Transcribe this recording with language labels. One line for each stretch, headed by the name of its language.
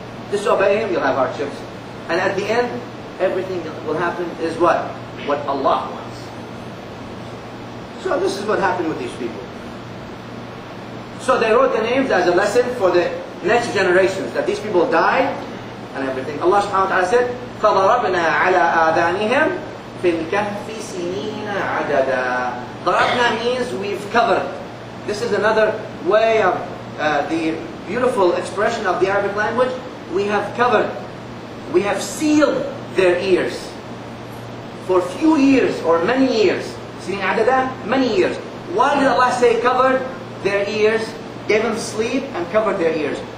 English: Disobey Him, you'll have hardships. And at the end, everything that will happen is what? What Allah wants. So this is what happened with these people. So they wrote their names as a lesson for the next generations, that these people died and everything.
Arabic: Allah subhanahu wa ta'ala said, فَضَرَبْنَا عَلَىٰ آذَانِهِمْ فِي الْكَهْفِ سِنِينَ عَدَدًا.
English: ضَرَبْنَا means we've covered. This is another way of the beautiful expression of the Arabic language. We have covered, we have sealed their ears for few years or many years. سِنِينَ عَدَدًا, many years. Why did Allah say covered their ears, gave them sleep and covered their ears?